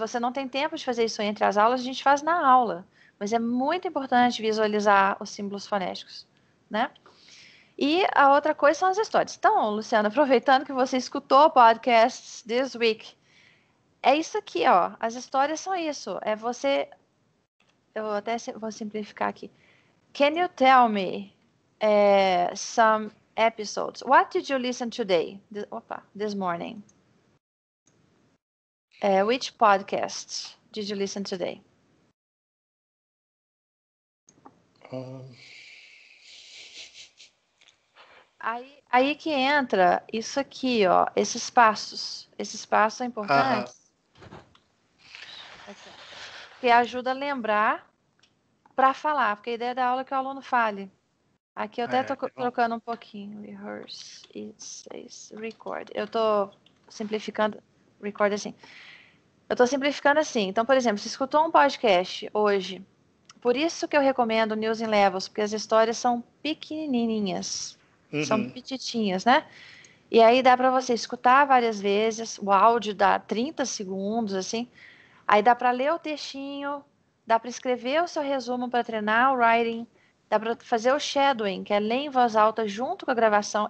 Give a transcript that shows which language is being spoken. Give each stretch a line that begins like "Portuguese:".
Portuguese: Se você não tem tempo de fazer isso entre as aulas, a gente faz na aula. Mas é muito importante visualizar os símbolos fonéticos, né? E a outra coisa são as histórias. Então, Luciana, aproveitando que você escutou o podcast This Week, é isso aqui, ó. As histórias são isso. É você. Eu até vou simplificar aqui.
English: Can you tell me some episodes? What did you listen today? Opa, this morning. Which podcast did you listen today?
Portuguese: Aí que entra isso aqui, ó. Esses passos. Esses passos são importantes. Que ajuda a lembrar para falar, porque a ideia da aula é que o aluno fale. Aqui eu até tô trocando um pouquinho.
English: Rehearse, it says record.
Portuguese: Eu tô simplificando. Record assim. Eu tô simplificando assim. Então, por exemplo, você escutou um podcast hoje, por isso que eu recomendo News in Levels, porque as histórias são pequenininhas, são petitinhas, né? E aí dá para você escutar várias vezes, o áudio dá 30 segundos, assim, aí dá para ler o textinho, dá para escrever o seu resumo para treinar o writing, dá para fazer o shadowing, que é ler em voz alta junto com a gravação.